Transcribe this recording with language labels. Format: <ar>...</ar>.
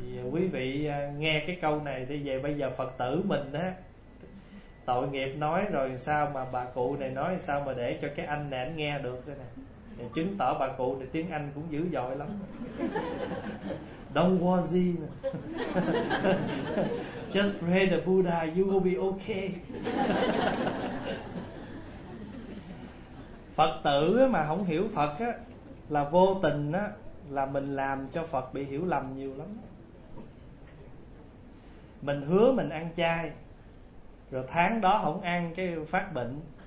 <vi>Quý vị nghe cái câu này thì về bây giờ Phật tử mình á, tội nghiệp nói rồi sao mà bà cụ này nói sao mà để cho cái anh này anh nghe được đây nè. Để chứng tỏ bà cụ này tiếng Anh cũng dữ dội lắm.</vi> <en>Don't worry. Just pray the Buddha, you will be okay.</en> <vi>Phật tử mà không hiểu Phật á, là vô tình á, là mình làm cho Phật bị hiểu lầm nhiều lắm. Mình hứa mình ăn chay, rồi tháng đó không ăn cái phát bệnh.</vi>